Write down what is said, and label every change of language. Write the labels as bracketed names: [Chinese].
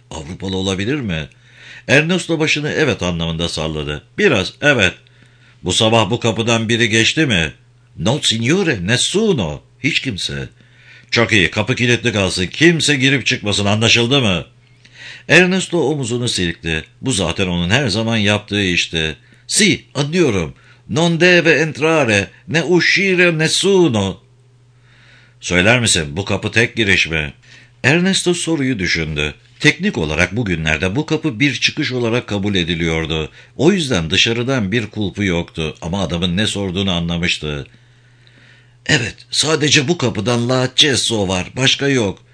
[Turkish] Avrupalı olabilir mi? Ernesto başını evet anlamında salladı. "Biraz, evet." "Bu sabah bu kapıdan biri geçti mi?" [Italian] "No signore, nessuno." [Turkish] "Hiç kimse." "Çok iyi, kapı kilitli kalsın. Kimse girip çıkmasın, anlaşıldı mı?" Ernesto omuzunu silkti. Bu zaten onun her zaman yaptığı işti. "Si, anlıyorum. [Italian] Non deve entrare, ne uscire nessuno." [Turkish] "Söyler misin, bu kapı tek giriş mi?" Ernesto soruyu düşündü. Teknik olarak bugünlerde bu kapı bir çıkış olarak kabul ediliyordu. O yüzden dışarıdan bir kulpu yoktu ama adamın ne sorduğunu anlamıştı. "Evet, sadece bu kapıdan La Cesso var, başka yok.